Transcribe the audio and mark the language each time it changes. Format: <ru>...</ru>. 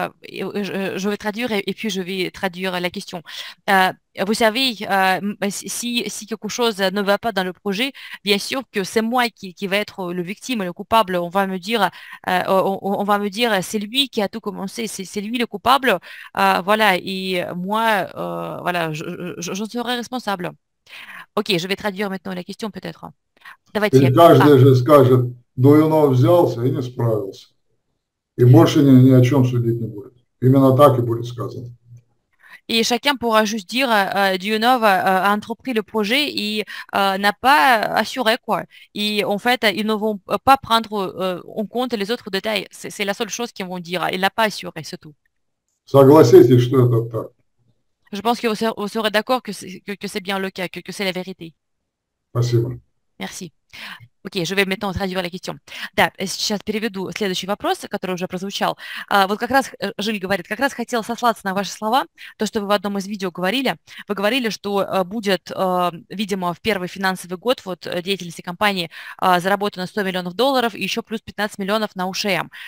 <fr>Je vais traduire et puis je vais traduire la question. Vous savez, si quelque chose ne va pas dans le projet, bien sûr que c'est moi qui va être le victime, le coupable. On va me dire, on va me dire, c'est lui qui a tout commencé, c'est lui le coupable. Voilà, et moi, voilà, je serai responsable. Ok, je vais traduire maintenant la question peut-être.</fr> <ru>Или Давайте. каждый же скажет, Дуюнов взялся и не справился. И больше ни о чем судить не будет. Именно так и будет сказано.</ru> <fr>Et chacun pourra juste dire, Dionov a entrepris le projet et n'a pas assuré quoi. Et en fait, ils ne vont pas prendre en compte les autres détails. C'est la seule chose qu'ils vont dire. Il n'a pas assuré, c'est tout.</fr> <ru>Согласитесь, что это так.</ru> <fr>Je pense que vous serez d'accord que c'est bien le cas, que c'est la vérité.</fr> <ru>Спасибо.</ru> <fr>Merci. Ok, je vais maintenant traduire la question.</fr> <ru>Да, сейчас переведу следующий вопрос, который уже прозвучал. Вот как раз Жиль говорит, как раз хотел сослаться на ваши слова, то, что вы в одном из видео говорили. Вы говорили, что будет, видимо, в первый финансовый год вот деятельности компании заработано 100 миллионов долларов и еще плюс 15 миллионов на УШМ.</ru>